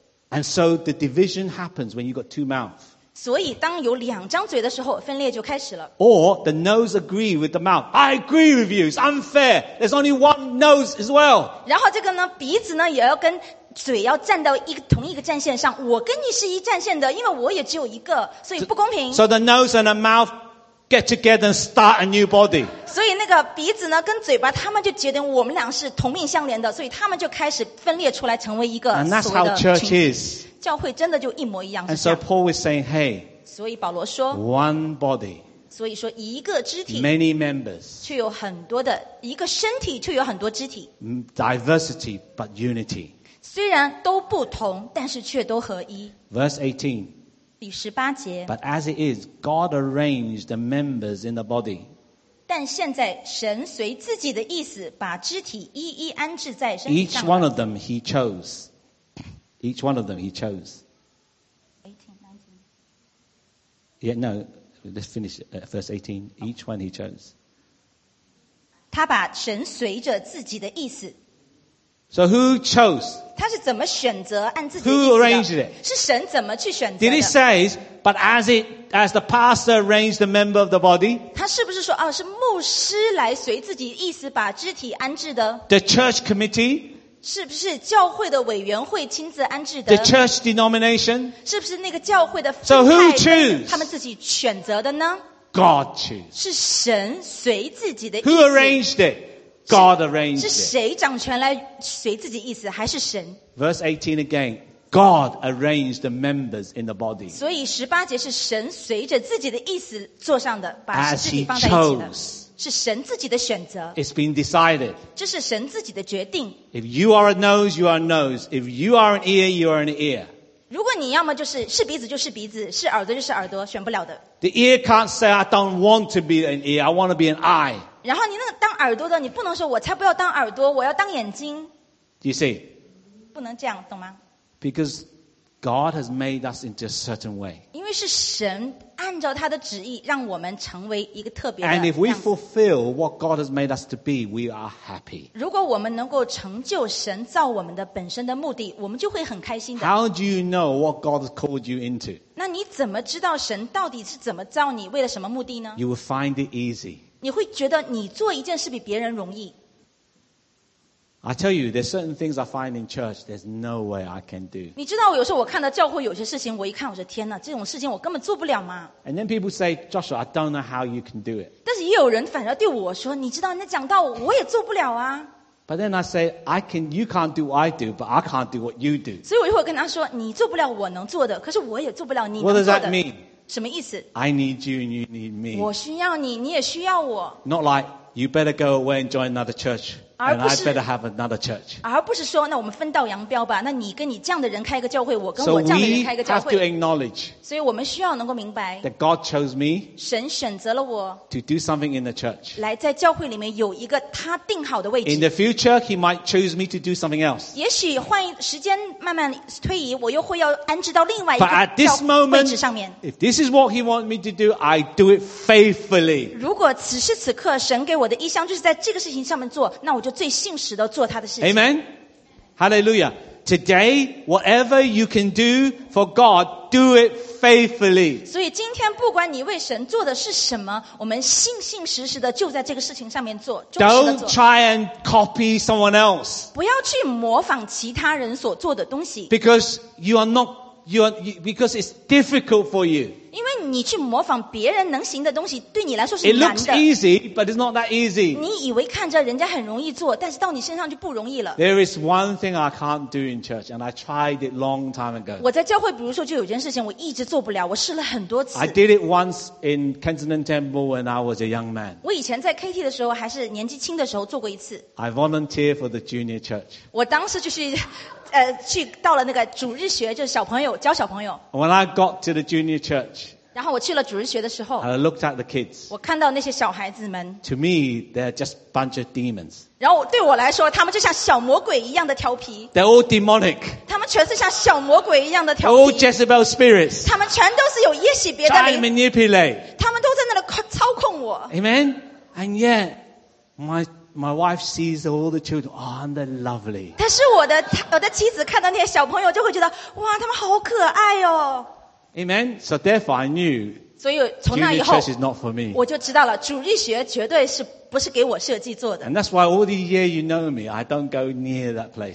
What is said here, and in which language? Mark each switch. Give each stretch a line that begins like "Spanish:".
English: And so the division happens when you got two mouths.
Chinese: 所以当有两张嘴的时候分裂就开始了。
English: Or the nose agree with the mouth. I agree with you. It's unfair. There's only one nose as well.
Chinese: 然后这个呢鼻子呢也要跟嘴要站到一个同一个战线上，我跟你是一战线的，因为我也只有一个，所以不公平。
English: So the nose and the mouth get together and start a new body.
Chinese: 所以那个鼻子呢跟嘴巴，他们就觉得我们俩是同命相连的，所以他们就开始分裂出来，成为一个所谓的群体。
English: And that's how church is.
Chinese: 教会真的就一模一样。
English: And so Paul was saying, "Hey."
Chinese: 所以保罗说
English: ，One body.
Chinese: 所以说一个肢体
English: ，Many members.
Chinese: 却有很多的一个身体，却有很多肢体。
English: Diversity, but unity.
Chinese: 虽然都不同，但是却都合一。
English: Verse 18.
Chinese: 第十八节。
English: But as it is, God arranged the members in the body.
Chinese: 但现在神随自己的意思，把肢体一一安置在身上。
English: Each one of them He chose. Each one of them He chose. 18, 19. Yeah, no. Let's finish verse 18. Each one He chose.
Chinese: 他把神随着自己的意思。
English: So who chose?
Chinese: 他是怎么选择按自己的意思的?
English: Who arranged it?
Chinese: 是神怎么去选择的?
English: Did he say, but as the pastor arranged the member of the body?
Chinese: 他是不是说，哦，是牧师来随自己意思把肢体安置的?
English: The church committee?
Chinese: 是不是教会的委员会亲自安置的?
English: The church denomination?
Chinese: 是不是那个教会的分派?
English: So who chose?
Chinese: 他们自己选择的呢?
English: God chose.
Chinese: 是神随自己的意思。
English: Who arranged it? God arranged it.
Chinese: 是谁掌权来随自己意思，还是神？
English: Verse 18 again. God arranged the members in the body.
Chinese: 所以十八节是神随着自己的意思坐上的，把肢体放在一起的。
English: As he chose.
Chinese: 是神自己的选择。
English: It's been decided.
Chinese: 这是神自己的决定。
English: If you are a nose, you are a nose. If you are an ear, you are an ear.
Chinese: 如果你要么就是是鼻子就是鼻子，是耳朵就是耳朵，选不了的。
English: The ear can't say, I don't want to be an ear. I want to be an eye.
Chinese: 然后你那个当耳朵的，你不能说我才不要当耳朵，我要当眼睛。
English: You see?
Chinese: 不能这样，懂吗？
English: Because God has made us into a certain way.
Chinese: 因为是神按照他的旨意让我们成为一个特别的。
English: And if we fulfill what God has made us to be, we are happy.
Chinese: 如果我们能够成就神造我们的本身的目的，我们就会很开心的。
English: How do you know what God has called you into?
Chinese: 那你怎么知道神到底是怎么造你，为了什么目的呢？
English: You will find it easy.
Chinese: 你会觉得你做一件事比别人容易。
English: I tell you, there's certain things I find in church. There's no way I can do.
Chinese: 你知道，有时候我看到教会有些事情，我一看，我说天哪，这种事情我根本做不了嘛。
English: And then people say, Joshua, I don't know how you can do it.
Chinese: 但是也有人反而对我说，你知道，那讲到我也做不了啊。
English: But then I say, I can. You can't do what I do, but I can't do what you do.
Chinese: 所以我一会跟他说，你做不了我能做的，可是我也做不了你能做的。
English: What does that mean?
Chinese: 什么意思?
English: I need you and you need me.
Chinese: 我需要你，你也需要我。
English: Not like, you better go away and join another church, and I better have another church.
Chinese: 而不是说，那我们分道扬镳吧，那你跟你这样的人开一个教会，我跟我这样的人开一个教会。
English: So we have to acknowledge,
Chinese: 所以我们需要能够明白,
English: that God chose me,
Chinese: 神选择了我,
English: to do something in the church.
Chinese: 来在教会里面有一个他定好的位置。
English: In the future, he might choose me to do something else.
Chinese: 也许换时间慢慢推移，我又会要安置到另外一个教会位置上面。
English: But at this moment, if this is what he wants me to do, I do it faithfully.
Chinese: 如果此时此刻神给我的意向就是在这个事情上面做，那我就最信实的做他的事情。
English: Amen. Hallelujah. Today, whatever you can do for God, do it faithfully.
Chinese: 所以今天不管你为神做的是什么，我们信信实实的就在这个事情上面做，忠实的做。
English: Don't try and copy someone else.
Chinese: 不要去模仿其他人所做的东西。
English: Because you are not, you are, because it's difficult for you.
Chinese: 因为你去模仿别人能行的东西，对你来说是难的。
English: It looks easy, but it's not that easy.
Chinese: 你以为看着人家很容易做，但是到你身上就不容易了。
English: There is one thing I can't do in church, and I tried it long time ago.
Chinese: 我在教会，比如说就有件事情我一直做不了，我试了很多次。
English: I did it once in Kensington Temple when I was a young man.
Chinese: 我以前在 KT 的时候，还是年纪轻的时候做过一次。
English: I volunteer for the junior church.
Chinese: 我当时就是，去到了那个主日学，就是小朋友教小朋友。
English: When I got to the junior church.
Chinese: 然后我去了主日学的时候
English: I looked at the kids.
Chinese: 我看到那些小孩子们
English: To me, they're just a bunch of demons.
Chinese: 然后对我来说他们就像小魔鬼一样的调皮
English: They're all demonic.
Chinese: 他们全是像小魔鬼一样的调皮
English: All Jezebel spirits.
Chinese: 他们全都是有耶洗别的灵
English: Try manipulate.
Chinese: 他们都在那里操控我
English: Amen? And yet, my wife sees all the children. Oh, and they're lovely.
Chinese: 但是我的妻子看到那些小朋友就会觉得哇他们好可爱哦
English: Amen. So therefore, I knew
Chinese: 所以从那以后
English: Church is not for me.
Chinese: 我就知道了主日学绝对是不是给我设计做的
English: And that's why all the year you know me I don't go near that place